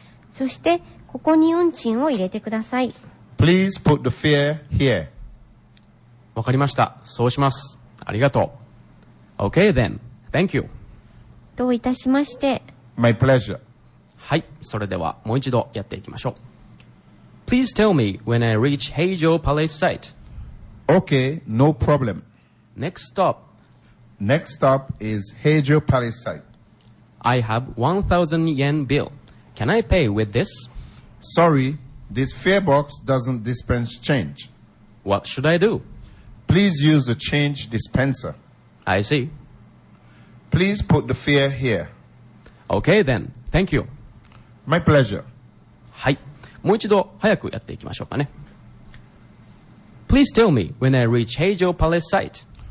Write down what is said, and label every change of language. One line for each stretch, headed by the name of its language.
Japanese: そして、ここに運賃を入れてください。
English: Please put the fare here.
Japanese: わかりました。そうします。ありがとう。
English: Okay then. Thank you.
Japanese: どういたしまして。
English: My pleasure.
Japanese: はい。それではもう一度やっていきましょう。
English: Please tell me when I reach 平常 Palace site. Okay, no problem. Next stop. Next stop is 平常 Palace site. I have 1000 yen bill. Can I pay with this? Sorry, this fare box doesn't dispense change. What should I do? Please use the change dispenser. I see. Please put the fare here. Okay then. Thank you. My pleasure.
Japanese: はい。もう一度早くやっていきましょうかね。
English: Please tell me when I reach 平常 Palace site.